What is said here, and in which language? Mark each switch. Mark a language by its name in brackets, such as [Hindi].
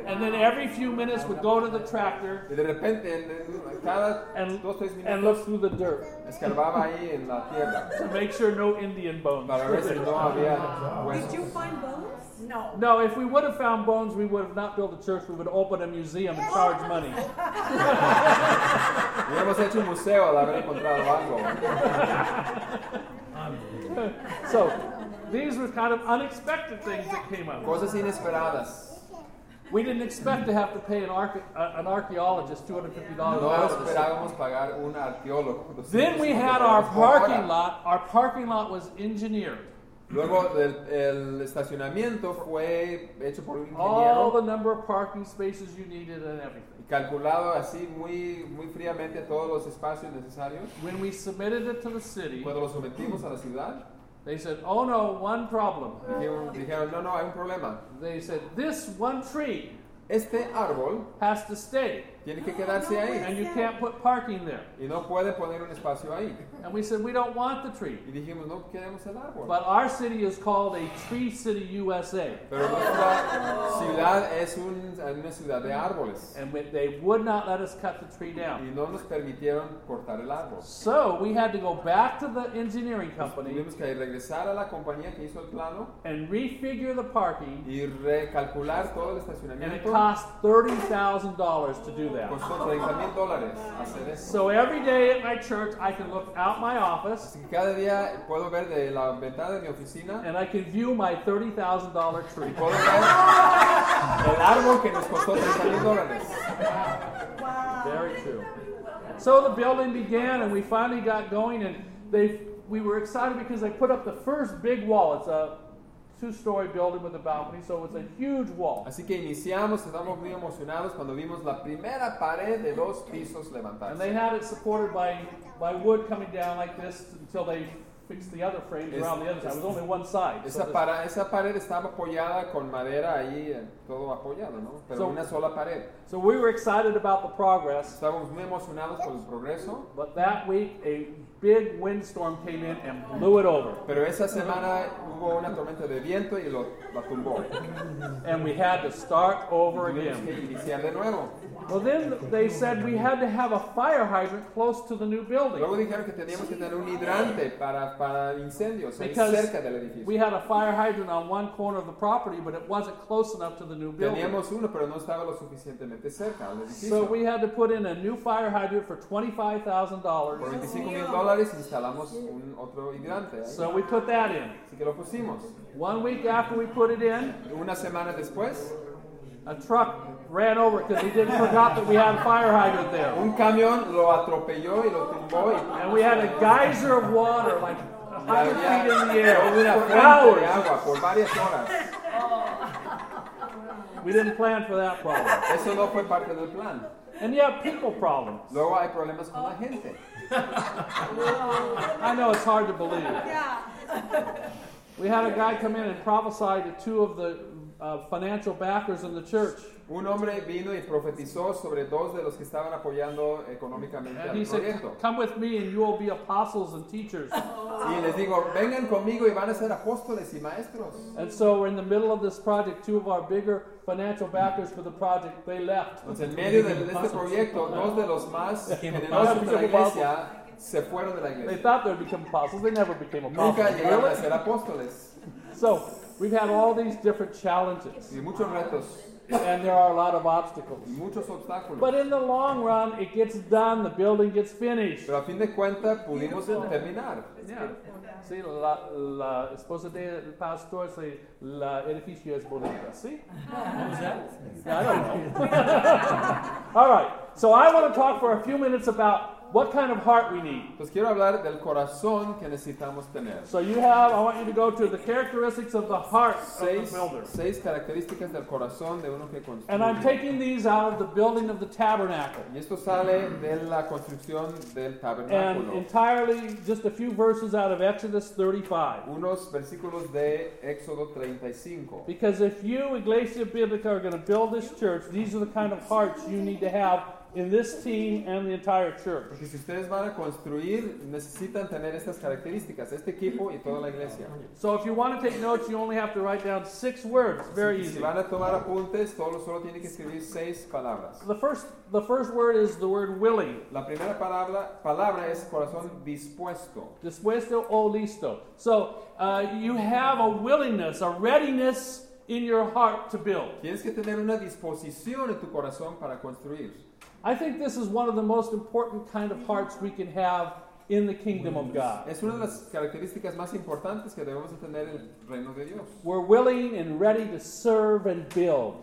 [English] and then every few minutes would go to the tractor, [Spanish] y de repente, cada dos, tres minutos, [English] look through the dirt, [Spanish] escarbaba ahí en la tierra, [English] to make sure no Indian bones. [Spanish] Para ver si no había huesos. [English] Did you find bones? No. No, if we would have found bones, we would have not built a church. We would open a museum and charge money. [Spanish] Hubiéramos hecho un museo al haber encontrado algo. [English] So, these were kind of unexpected things that came up. [Spanish] Cosas inesperadas. [English] We didn't expect to have to pay an archaeologist $250. [Spanish] No esperábamos pagar un arqueólogo. [English] Then we had our parking lot. Our parking lot was engineered. [Spanish] Luego el estacionamiento fue hecho por un ingeniero. [English] All the number of parking spaces you needed and everything. [Spanish] Y calculado así muy, muy fríamente todos los espacios necesarios. [English] When we submitted it to the city, [Spanish] cuando lo sometimos a la ciudad, [English] they said, oh no, one problem. [Spanish] Dijeron, no, hay un problema. [English] They said, this one tree, [Spanish] este árbol, [English] has to stay. [Spanish] Tiene que quedarse ahí. [English] And you can't put parking there. [Spanish] Y no puede poner un espacio ahí. [English] And we said, we don't want the tree. [Spanish] Y dijimos, no queremos el árbol. [English] But our city is called a Tree City USA. [Spanish] Pero nuestra ciudad es una ciudad de árboles. [English] And they would not let us cut the tree down. [Spanish] Y no nos permitieron cortar el árbol. [English] So we had to go back to the engineering company. [Spanish] Tuvimos que regresar a la compañía que hizo el plano. [English] And refigure the parking. [Spanish] Y recalcular todo el estacionamiento. [English] And it cost $30,000 to do that. [Spanish] Costó $30,000 hacer eso. [English] So every day at my church, I can look out my office. [Spanish] Así que cada día puedo ver de la ventana de mi oficina. [English] And I can view my $30,000 tree. [Spanish] Puedo ver el árbol que nos costó $30,000. [English] Wow. Very true. So the building began, and we finally got going, and we were excited because they put up the first big wall. It's a two-story building with a balcony, so it's a huge wall. [Spanish] Así que iniciamos, estábamos muy emocionados cuando vimos la primera pared de dos pisos levantarse. [English] And they had it supported by wood coming down like this until they fixed the other frames around the other side. It was only one side. [Spanish] Esa pared estaba apoyada con madera ahí, todo apoyado, ¿no? Pero so, una sola pared. [English] So we were excited about the progress. [Spanish] Estábamos muy emocionados con el progreso. [English] But that week, a big windstorm came in and blew it over. [Spanish] Pero esa semana hubo una tormenta de viento y la tumbó. [English] And we had to start over again. [Spanish] Iniciar de nuevo. [English] Well, then they said we had to have a fire hydrant close to the new building. [Spanish] Luego dijeron que teníamos que tener un hidrante para incendios cerca del edificio. [English] We had a fire hydrant on one corner of the property, but it wasn't close enough to the new building. [Spanish] Teníamos uno, pero no estaba lo suficientemente cerca al edificio. [English] So we had to put in a new fire hydrant for $25,000. [Spanish] Por $25,000 instalamos un otro hidrante. [English] So we put that in. [Spanish] Así que lo pusimos. [English] One week after we put it in. [Spanish] Una semana después. [English] A truck ran over because he didn't forgot that we had a fire hydrant there. [Spanish] Un camión lo atropelló y lo tumbó. [English] And we had a geyser of water, like 100 feet in the air, for hours. [Spanish] Agua por varias horas. [English] We didn't plan for that problem. [Spanish] Eso no fue parte del plan. [English] And you have people problems. [Spanish] Luego hay problemas con la gente. [English] I know it's hard to believe. Yeah. We had a guy come in and prophesy to two of the financial backers in the church. [Spanish] Un hombre vino y profetizó sobre dos de los que estaban apoyando económicamente al proyecto. [English] And he said, "Come with me, and you will be apostles and teachers." [Spanish] Y les digo, vengan conmigo y van a ser apóstoles y maestros. [English] And so, we're in the middle of this project, two of our bigger financial backers for the project, they left. [Spanish] Entonces, en medio de este proyecto, dos de los más generosos de la iglesia se fueron de la iglesia. [English] They thought they'd become apostles. They never became apostles. [Spanish] Nunca llegaron a ser apóstoles. [English] So, we've had all these different challenges. [Spanish] Y muchos retos. [English] And there are a lot of obstacles. [Spanish] Y muchos obstáculos. [English] But in the long run, it gets done. The building gets finished. [Spanish] Pero a fin de cuenta, pudimos terminar. [English] Yeah. [Spanish] Sí, la esposa del pastor dice, el edificio es bonito. ¿Sí? [English] What was that? I don't know. All right. So I want to talk for a few minutes about what kind of heart we need. [Spanish] Pues quiero hablar del corazón que necesitamos tener. [English] So you have, I want you to go to the characteristics of the heart of the builder. [Spanish] Seis características del corazón de uno que construye. [English] And I'm taking these out of the building of the tabernacle. [Spanish] Y esto sale de la construcción del tabernáculo. [English] And entirely, just a few verses out of Exodus 35. [Spanish] Unos versículos de Éxodo 35. [English] Because if you, Iglesia Bíblica, are going to build this church, these are the kind of hearts you need to have in this team and the entire church. [Spanish] Porque si ustedes van a construir, necesitan tener estas características, este equipo y toda la iglesia. [English] So if you want to take notes, you only have to write down six words. Very easy. [Spanish] Si van a tomar apuntes, solo tienen que escribir seis palabras. [English] The first word is the word willing. [Spanish] La primera palabra es corazón dispuesto. Dispuesto o listo. [English] So you have a willingness, a readiness in your heart to build. [Spanish] Tienes que tener una disposición en tu corazón para construir. [English] I think this is one of the most important kind of hearts we can have in the kingdom of God. [Spanish] Es una de las características más importantes que debemos tener en el reino de Dios. [English] We're willing and ready to serve and build.